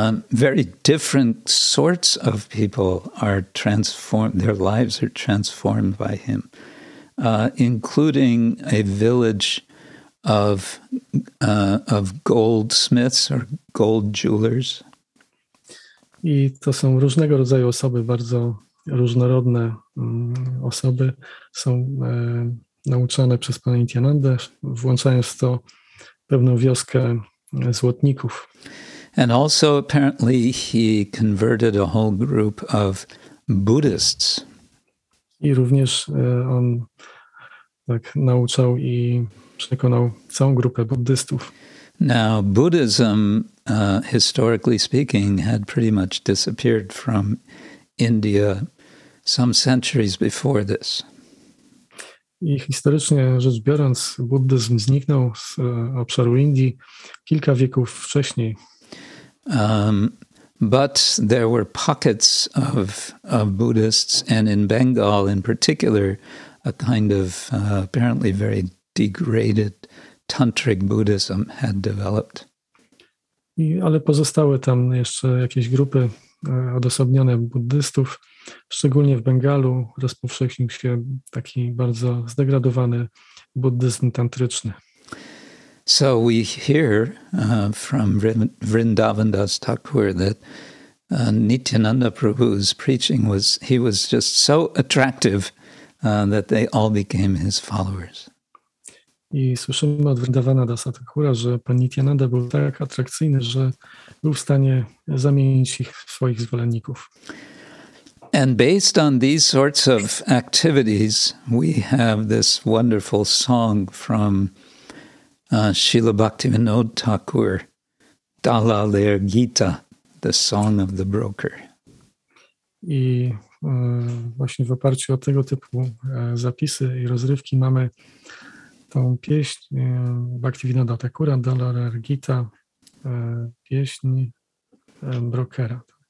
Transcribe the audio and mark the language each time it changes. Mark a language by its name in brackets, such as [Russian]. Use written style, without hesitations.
[English] Very different sorts of people are transformed, their lives are transformed by him, including a village of goldsmiths or gold jewelers. [Polish] I to są różnego rodzaju osoby, bardzo różnorodne osoby są nauczane przez Pana Nityananda, włączając to pewną wioskę złotników. [English] And also apparently he converted a whole group of Buddhists. [Polish] I również on tak nauczał i przekonał całą grupę buddystów. [English] Now, Buddhism, historically speaking, had pretty much disappeared from India some centuries before this. [Polish] I historycznie rzecz biorąc, buddyzm zniknął z obszaru Indii kilka wieków wcześniej. [English] But there were pockets of Buddhists, and in Bengal in particular, a kind of apparently very degraded tantric Buddhism had developed. [Polish] I, ale pozostały tam jeszcze jakieś grupy odosobnione buddystów, szczególnie w Bengalu rozpowszechnił się taki bardzo zdegradowany buddyzm tantryczny. [English] So we hear from Vrindavan Das Thakur that Nityananda Prabhu's preaching was just so attractive that they all became his followers. [Polish] I słyszymy od Vrindavana Dasa Thakura, że pan Nityananda był tak atrakcyjny, że był w stanie zamienić ich w swoich zwolenników. [English] And based on these sorts of activities, we have this wonderful song from Srila Bhaktivinoda Thakur, Dala Ler Gita, the song of the broker. [Polish] I właśnie w oparciu o tego typu zapisy i rozrywki mamy tą pieśń Bhaktivinoda Thakura, Dala Ler Gita, pieśń brokera.